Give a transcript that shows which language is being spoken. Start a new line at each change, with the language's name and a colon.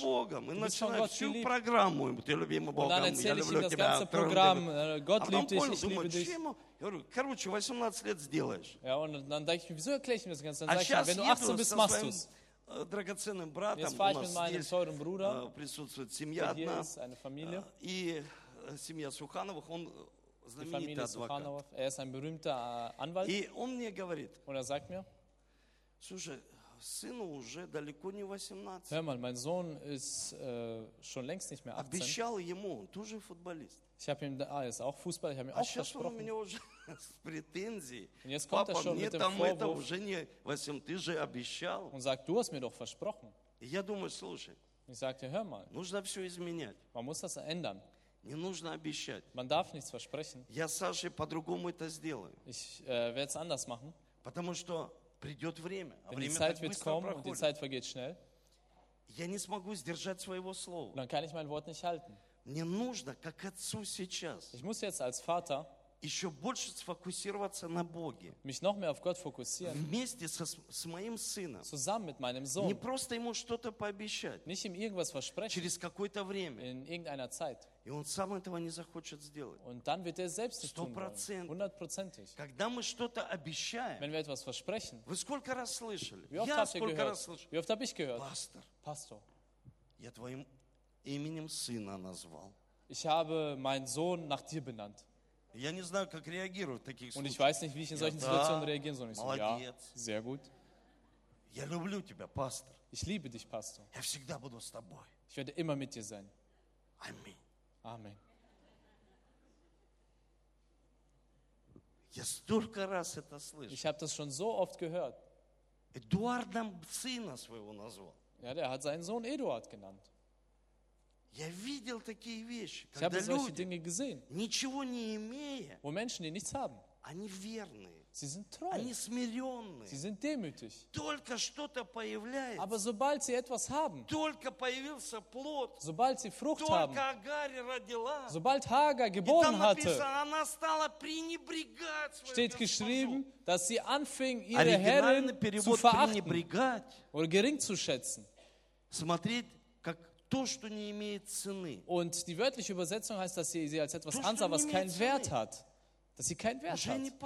German: Du bist schon Gott lieb. Und dann erzähle ich ihm das ganze Programm. Gott liebt dich, ich liebe dich.
Russian: Короче, 18 лет сделаешь.
German: Ja, und dann denke ich mir: Wieso erkläre ich ihm das ganze? Dann sage ich ihm: Wenn du 18 bist, machst du es.
Russian: Драгоценным братом.
German: Jetzt fahre ich mit meinem teuren Bruder.
Russian: Присутствует семья одна.
German: Hier ist eine Familie.
Russian: Семья Сухановых, он знаменитый адвокат.
German: Er ist ein berühmter Anwalt.
Russian: И он мне говорит:
German: Und sagt mir,
Russian: слушай, сыну уже далеко не 18.
German: Hör mal, mein Sohn ist schon längst nicht mehr 18.
Russian: Обещал ему, он тоже футболист.
German: Ich habe ihm, ist auch Fußball, ich habe ihm auch versprochen. Und jetzt kommt er schon mit dem Vorwurf. Und sagt: Du hast mir doch versprochen. Ich sagte: Hör mal, man muss das ändern.
Russian: Не нужно обещать.
German: Man darf nichts versprechen.
Russian: Я Саше по-другому это сделаю.
German: Ich werde es anders machen.
Russian: Потому что придет время.
German: Denn die Zeit wird kommen und die Zeit vergeht schnell.
Russian: Я не смогу сдержать своего слова.
German: Dann kann ich mein Wort nicht halten.
Russian: Мне нужно, как отцу сейчас.
German: Ich muss jetzt als Vater
Russian: еще больше сфокусироваться на Боге.
German: Mich noch mehr auf Gott fokussieren.
Russian: Вместе с моим сыном.
German: Zusammen mit meinem Sohn.
Russian: Не просто ему что-то пообещать.
German: Nicht ihm irgendwas versprechen.
Russian: Через какое-то время.
German: In irgendeiner Zeit.
Russian: И он сам этого не захочет сделать.
German: Und dann wird selbst nicht tun. 100%.
Russian: Когда мы что-то обещаем.
German: Wenn wir etwas versprechen.
Russian: Вы сколько раз слышали?
German: Wie oft
Russian: я сколько раз слышал?
German: Wie oft habe ich gehört?
Russian: Пастор. Я твоим именем сына назвал.
German: Ich habe meinen Sohn nach dir benannt.
Russian: Я не знаю, как реагирую в таких случаях.
German: Und ich weiß nicht, wie ich in solchen Situationen reagieren soll.
Russian: Молодец.
German: Ja, sehr gut.
Russian: Я люблю тебя, пастор.
German: Ich liebe dich, Pastor.
Russian: Я всегда буду с тобой.
German: Ich werde immer mit dir sein.
Russian: Аминь.
German: Amen.
Russian: Я столько раз это слышал.
German: Ich habe das schon so oft gehört.
Russian: Эдуардом сына своего назвал.
German: Ja, der hat seinen Sohn Eduard genannt.
Russian: Я видел такие вещи,
German: ich habe solche Dinge gesehen,
Russian: ничего не имея,
German: wo Menschen, die nichts haben,
Russian: они верные,
German: sie sind treu,
Russian: они смиренные,
German: sie sind demütig,
Russian: только что-то появляется,
German: aber sobald sie etwas haben,
Russian: только появился плод,
German: sobald sie Frucht
Russian: только
German: haben,
Russian: Агарь родила,
German: sobald Hagar geboren hatte,
Russian: она стала пренебрегать своим,
German: steht geschrieben, dass sie anfing, ihre Herrin zu verachten oder gering zu schätzen.
Russian: Смотреть, то, что не имеет цены.
German: Und die wörtliche Übersetzung heißt, dass sie als etwas ansah, was keinen Wert hat. Dass sie keinen Wert hat.